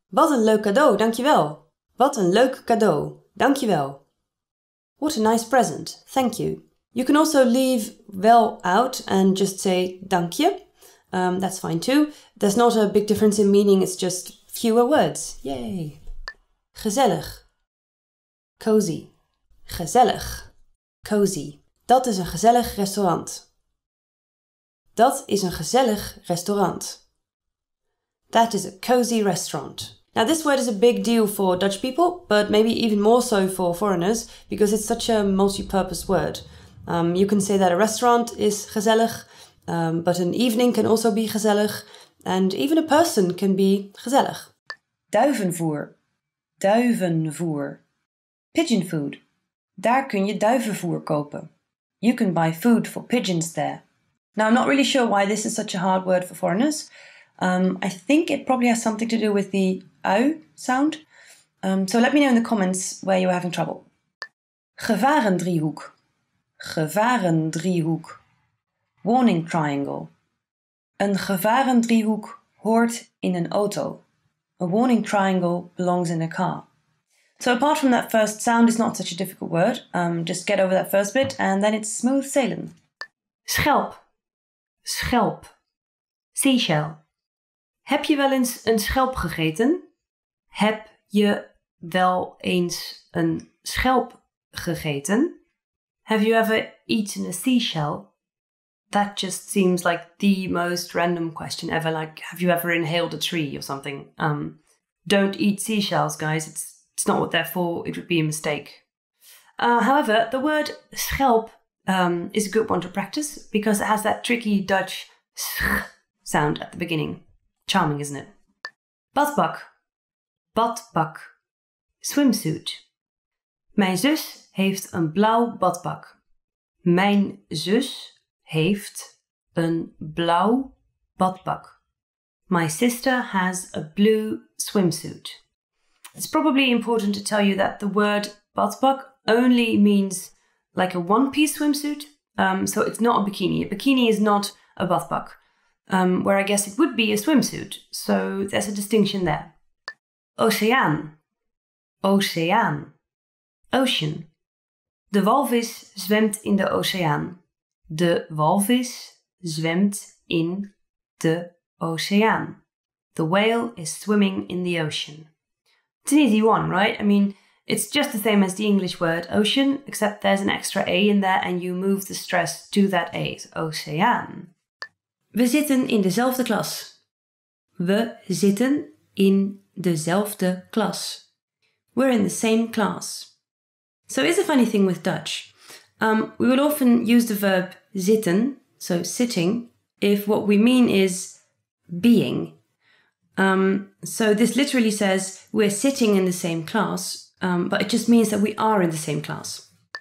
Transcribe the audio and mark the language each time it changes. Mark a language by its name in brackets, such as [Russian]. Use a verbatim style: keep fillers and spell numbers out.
[Dutch] Wat een leuk cadeau, dankjewel. Wat een leuk cadeau, dankjewel. [English] What a nice present, thank you. You can also leave wel out and just say dankje. Um, that's fine too. There's not a big difference in meaning, it's just fewer words. [Dutch] Yay! Gezellig. Cozy. Gezellig. Cozy. Dat is een gezellig restaurant. Dat is een gezellig restaurant. [English] That is a cozy restaurant. Now, this word is a big deal for Dutch people, but maybe even more so for foreigners, because it's such a multi-purpose word. Um, you can say that a restaurant is gezellig, um, but an evening can also be gezellig, and even a person can be gezellig. [Dutch] Duivenvoer. Duivenvoer. Pigeon food. Daar kun je duivenvoer kopen. [English] You can buy food for pigeons there. Now, I'm not really sure why this is such a hard word for foreigners. Um, I think it probably has something to do with the "u" sound. Um, so let me know in the comments where you're having trouble. [Dutch] Gevarendriehoek. Gevarendriehoek. [English] Warning triangle. [Dutch] Een gevarendriehoek hoort in een auto. [English] A warning triangle belongs in a car. So apart from that first sound, it's not such a difficult word. Um, just get over that first bit and then it's smooth sailing. [Dutch] Schelp. Schelp. Seashell. Heb je wel eens een schelp gegeten? Heb je wel eens een schelp gegeten? [English] Have you ever eaten a seashell? That just seems like the most random question ever. Like, have you ever inhaled a tree or something? Um, don't eat seashells, guys. It's, it's not what they're for. It would be a mistake. Uh, however, the word schelp um, is a good one to practice because it has that tricky Dutch sch sound at the beginning. Charming, isn't it? Badpak. Badpak. Swimsuit. [Dutch] Mijn zus heeft een blauw badpak. Mijn zus heeft een blauw badpak. [English] My sister has a blue swimsuit. It's probably important to tell you that the word badpak only means like a one-piece swimsuit. Um, so it's not a bikini. A bikini is not a badpak. Um, where I guess it would be a swimsuit. So there's a distinction there. [Dutch] Oceaan. Oceaan. Ocean. De walvis zwemt in de oceaan. De walvis zwemt in de oceaan. [English] The whale is swimming in the ocean. It's an easy one, right? I mean, it's just the same as the English word ocean, except there's an extra A in there and you move the stress to that A. So, oceaan. [Dutch] We zitten in dezelfde klas. We zitten in dezelfde klas. [English] We're in the same class. So here's a funny thing with Dutch. Um, we will often use the verb zitten, so sitting, if what we mean is being. Um, so this literally says we're sitting in the same class, um, but it just means that we are in the same class.